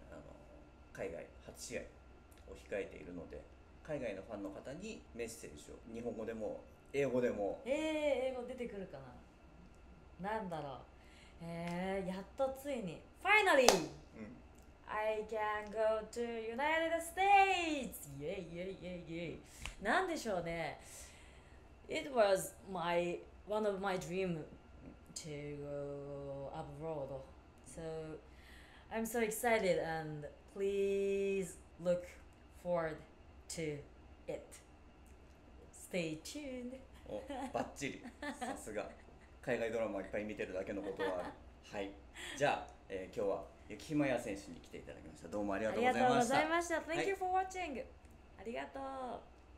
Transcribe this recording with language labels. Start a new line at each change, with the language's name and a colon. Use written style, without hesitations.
Japanese: あの海外初試合を控えているので、海外のファンの方にメッセージを、日本語でも英語でも、英語出てくるかな、なんだろう、やっとついに Finally、うん、
English: I can go to United States!
Japanese: イエイイエイイエイイエイ、なんでしょうね、
English: It was my, one of my dream to go abroad. So I'm so excited and please look forward to it. Stay tuned.
Japanese: お、バッチリ。さすが。海外ドラマいっぱい見てるだけのことはある。はい。じゃあ、今日は雪ひまや選手に来ていただきました。どうもありがとうございました。ありがとうございました。
English: Thank you for watching.
Japanese: ありがとう。